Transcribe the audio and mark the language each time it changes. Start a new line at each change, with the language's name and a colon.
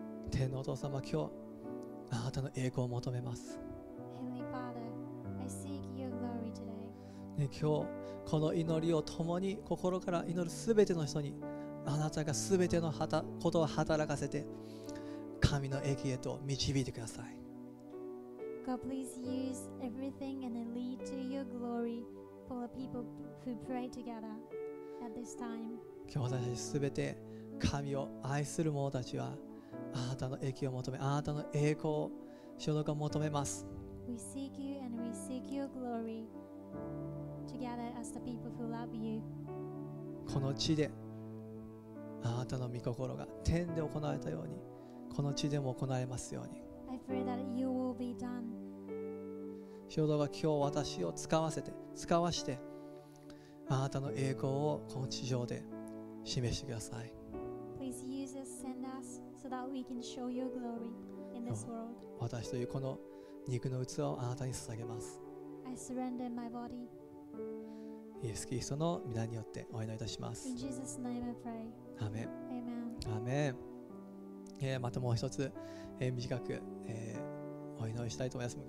Japanese: 天のお父様、今日あなたの栄光を求めます。
English: Heavenly Father, I seek your glory today.、
Japanese: ね、今日この祈りを共に、心から祈る全ての人に、あなたが全てのことを働かせて、神の益へと導いてください。
English: God, please use everything and lead to your glory for the people who pray together at this time.
Japanese: 今日私たち全て、神を愛する者たちはあなたの益を求め、あなたの栄光を主の求めます。
English: We seek you and we seek your glory together as the people who love you.
Japanese: この地で、あなたの御心が天で行われたように、この地でも行われますように。
English: I pray that you will be done.
Japanese: 主の今日私を使わせて、使わして、あなたの栄光をこの地上で示してください。
English: Please use us, send us, so that we can show your glory in this world.
Japanese: 私というこの肉の器をあなたに捧げます。
English: I surrender my body.
Japanese: イエス・キリストの御名によってお祈りいたします。
English: In Jesus' name I pray.
Japanese: アーメン。
English: Amen. Amen.
Japanese: またもう一つ、短く、お祈りしたいと思います。